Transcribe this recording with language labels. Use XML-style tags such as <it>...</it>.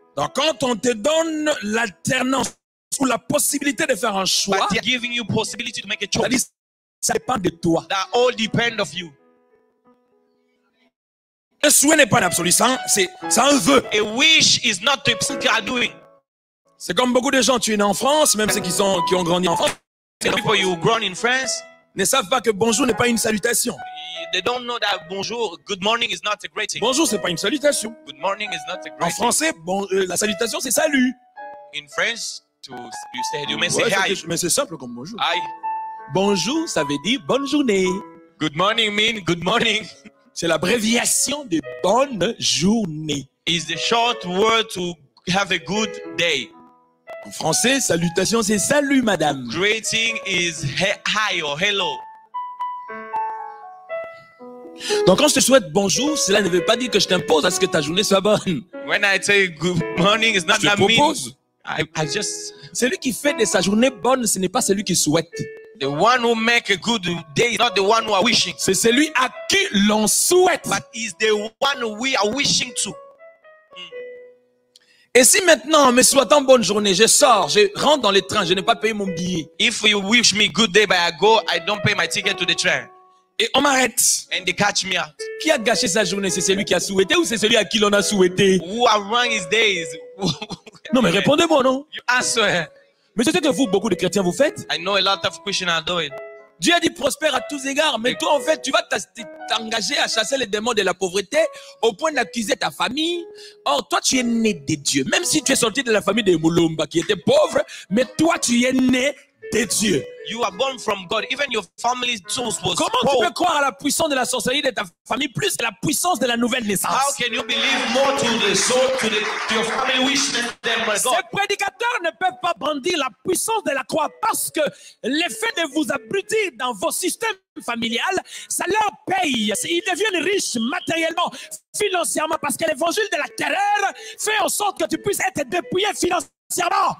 <fr>Donc quand on te donne l'alternance ou la possibilité de faire un choix,</fr> <en>but they're giving you possibility to make a choice.</en> <fr>Ça dépend de toi.</fr> <en>That all depend of you.</en> <fr>Un souhait n'est pas absolu, c'est un vœu.</fr> <en>A wish is not the thing you are doing.</en> <fr>C'est comme beaucoup de gens, tu es né en France, même ceux qui ont grandi en France.</fr> <en>Some people you grown in France</en> <fr>ne savent pas que bonjour n'est pas une salutation.</fr> <en>They don't know that bonjour, good morning is not a greeting.</en> <fr>Bonjour, c'est pas une salutation.</fr> <en>Good morning is not a greeting.</en> <fr>En français, bon, la salutation c'est salut.</fr> <en>In French, to you say you may say hi.</en> <fr>Mais c'est simple comme bonjour.</fr> <en>Hi.</en> <fr>Bonjour, ça veut dire bonne journée.</fr> <en>Good morning means good morning.</en> <fr>C'est l'abréviation de bonne journée.</fr> <en>It's the short word to have a good day.</en> <fr>En français, salutation, c'est salut, madame.</fr> <en>Greeting is hi or hello.</en> <fr>Donc, quand je te souhaite bonjour, cela ne veut pas dire que je t'impose à ce que ta journée soit bonne.</fr> <en>When I tell you good morning, it's not that mean.</en> <fr>Je te propose.</fr> <en>I just.</en> <fr>Celui qui fait de sa journée bonne, ce n'est pas celui qui souhaite.</fr> <en>The one who make a good day is not the one who are wishing.</en> <fr>C'est celui à qui l'on souhaite.</fr> <en>But is the one we are wishing to.</en> <fr>Et si maintenant, me souhaite en bonne journée, je sors, je rentre dans les trains, je n'ai pas payé mon billet.</fr> <en>If you wish me good day, but I go, I don't pay my ticket to the train.</en> <fr>Et on m'arrête.</fr> <en>And they catch me out.</en> <fr>Qui a gâché sa journée? C'est celui qui a souhaité ou c'est celui à qui l'on a souhaité?</fr> <en>Who are wrong his days?</en> <fr>Non, mais répondez-moi, non?</fr> <en>You answer.</en> <fr>Mais c'est ce que vous, beaucoup de chrétiens, vous faites.</fr> <en>I know a lot of Christians are doing.</en> <fr>Dieu a dit prospère à tous égards, mais toi en fait tu vas t'engager à chasser les démons de la pauvreté au point d'accuser ta famille. Or toi tu es né de Dieu, même si tu es sorti de la famille de Mulumba qui était pauvre, mais toi tu es né de Dieu.</fr> <en>You are born from God. Even your family source was</en> <fr>comment</fr> <en>poor.</en> <fr>Tu peux croire à la puissance de la sorcellerie de ta famille plus que la puissance de la nouvelle naissance?</fr> <en>How can you believe more to the soul to your family wishes than my God?</en> <fr>Ces prédicateurs ne peuvent pas brandir la puissance de la croix parce que l'effet de vous abrutir dans vos systèmes familiales, ça leur paye. Ils deviennent riches matériellement, financièrement, parce que l'évangile de la terreur fait en sorte que tu puisses être dépouillé financièrement.</fr>